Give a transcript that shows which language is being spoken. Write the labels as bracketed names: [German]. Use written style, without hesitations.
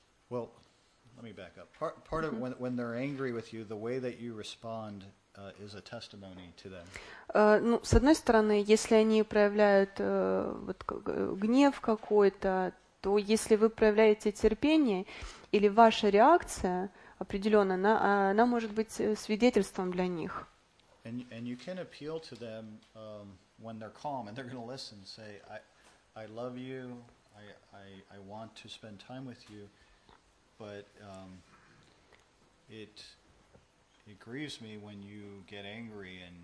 [English] Well, let me back up. Part mm-hmm. of when they're angry with you, the way that you respond is a testimony to them. [Russian] Ну, с одной стороны, если они проявляют вот гнев какой-то, то если вы проявляете терпение или ваша реакция определенная, она может быть свидетельством для них. [English] And you can appeal to them when they're calm and they're going to listen. Say, I love you, I want to spend time with you, but it grieves me when you get angry